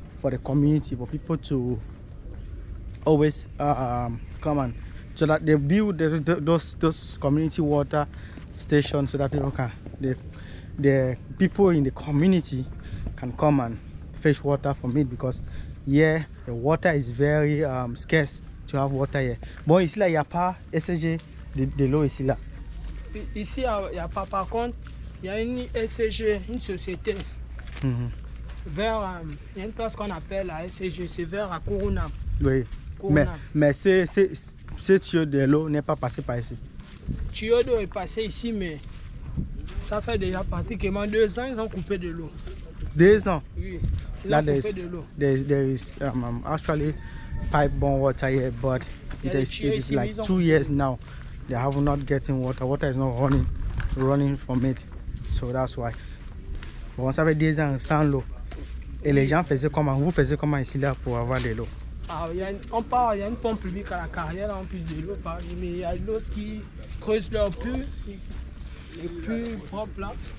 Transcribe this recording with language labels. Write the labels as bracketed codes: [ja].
[en] for the community, for people to always come on, so that they build those community water stations, so that people can the people in the community can come and fetch water from it, because yeah, the water is very scarce to have water here. [fr] Bon, ici là, il y a pas SG de l'eau ici là. Ici, il y a pas, par contre, il y a une SG, une société. Mm-hmm. Vers il y a une place qu'on appelle la SG, c'est vers à Kuruna. Oui. Kuruna. Mais ce tuyau de l'eau n'est pas passé par ici. Le tuyau d'eau est passé ici, mais ça fait déjà pratiquement 2 ans ils ont coupé de l'eau. 2 ans? Oui. Ils ont coupé de l'eau. [en] There is actually pipe bon water here, but it is like 2 years now they have not getting water is not running from it, so that's why. [fr] Bon, ça fait 10 ans sans l'eau. Et les gens faisaient comment? Vous faisiez comment ici là pour avoir de l'eau? Il y a une pompe publique à la carrière en plus de l'eau, mais il y a l'eau qui creuse leur puits, les puits propres là.